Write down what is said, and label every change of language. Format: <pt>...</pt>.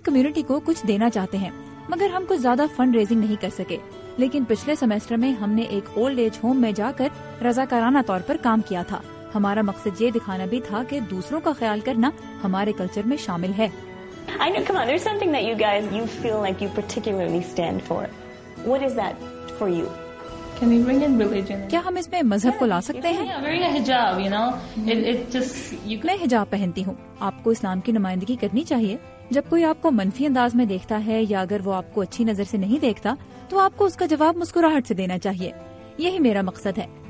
<ur>Community کو کچھ دینا چاہتے ہیں مگر ہم کچھ زیادہ فنڈ ریزنگ نہیں کر سکے. لیکن پچھلے سیمسٹر میں ہم نے ایک اولڈ ایج ہوم میں جا کر رضاکارانہ طور پر کام کیا تھا. ہمارا مقصد یہ دکھانا بھی تھا کہ دوسروں کا خیال کرنا ہمارے کلچر میں شامل ہے.</ur> <en>I know, come on, there's something that you guys, you feel like you particularly stand for. What is that for you? Can we bring in religion?</en> <ur>کیا ہم اس میں مذہب کو لا سکتے ہیں؟ میں حجاب پہنتی ہوں. آپ کو اسلام کی نمائندگی کرنی چاہیے. جب کوئی آپ کو منفی انداز میں دیکھتا ہے یا اگر وہ آپ کو اچھی نظر سے نہیں دیکھتا تو آپ کو اس کا جواب مسکراہٹ سے دینا چاہیے. یہی میرا مقصد ہے.</ur>